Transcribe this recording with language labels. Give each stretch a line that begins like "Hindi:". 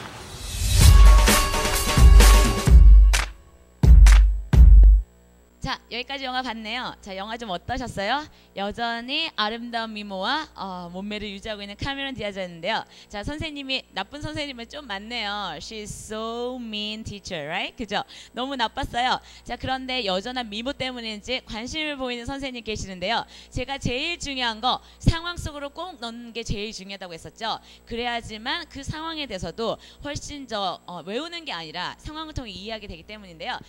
Korean: (웃음) 여기까지 영화 봤네요. 자, 영화 좀 어떠셨어요? 여전히 아름다운 미모와 몸매를 유지하고 있는 카메론 디아즈였는데요. 자, 선생님이 나쁜 선생님은 좀 많네요.
English: She's so mean teacher, right?
Korean: 그죠? 너무 나빴어요. 자, 그런데 여전한 미모 때문인지 관심을 보이는 선생님 계시는데요. 제가 제일 중요한 거 상황 속으로 꼭 넣는 게 제일 중요하다고 했었죠. 그래야지만 그 상황에 대해서도 훨씬 더 외우는 게 아니라 상황을 통해 이해하게 되기 때문인데요.